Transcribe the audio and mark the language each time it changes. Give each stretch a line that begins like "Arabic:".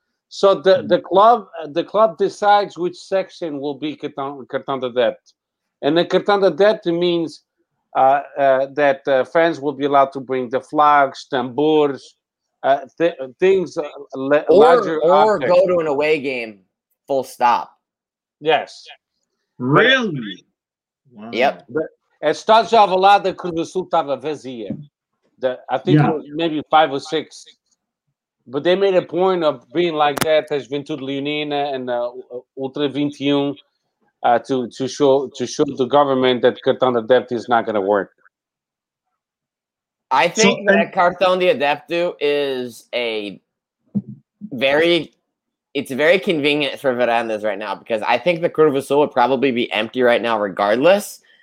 English: So the club decides which section will be cartão de adepto. And the cartão de adepto means that fans will be allowed to bring the flags, tambores, things. Or go to an away game, full stop. Yes. Really? Wow. Yep.
Portuguese: Estádio Alvalade, Cruz Sul estava vazia.
English: I think it was maybe 5 or 6. But they made a point of being like that, as Juventude Leonina and Ultra 21. To show the government that cartão de adepto is not going to work. I think that cartão de adepto is very convenient for Verandas right now, because I think the Curva Sul would probably be empty right now regardless.